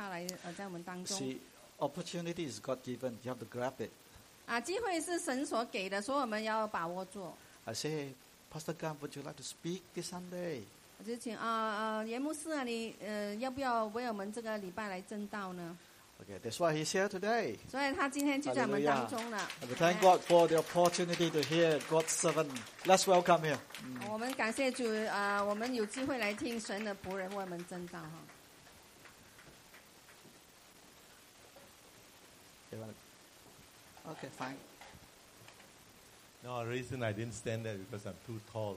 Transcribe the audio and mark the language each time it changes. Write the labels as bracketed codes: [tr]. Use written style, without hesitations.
[zh] 当我们今天吃完午餐的时候，我说倒不如嘛，就请他来在我们当中。See, [en] opportunity is God given. You have to grab it. [zh] 机会是神所给的，所以我们要把握住。I [en] say, Pastor Gan, would you like to speak this Sunday? [zh] 我就请严牧师啊，你要不要为我们这个礼拜来证道呢？ [en] Okay, that's why he's here today. So thank God for the opportunity to hear God's servant. Let's welcome him. [zh] 我们感谢主，我们有机会来听神的仆人为我们证道。Okay, [en] fine. No, the reason I didn't stand there is because I'm too tall.